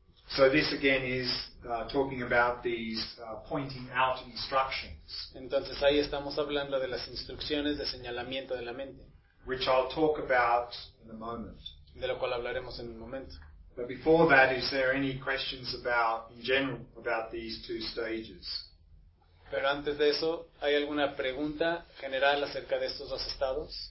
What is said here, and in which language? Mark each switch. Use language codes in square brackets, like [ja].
[en] So this again is talking about these pointing out instructions. [es] Entonces ahí estamos hablando de las instrucciones de señalamiento de la mente. [en] Which I'll talk about in a moment. [es] De lo cual hablaremos en un momento. [en] But before that, is there any questions about, in general, about these two stages? [es] Pero antes de eso, ¿hay alguna pregunta general acerca de estos dos estados?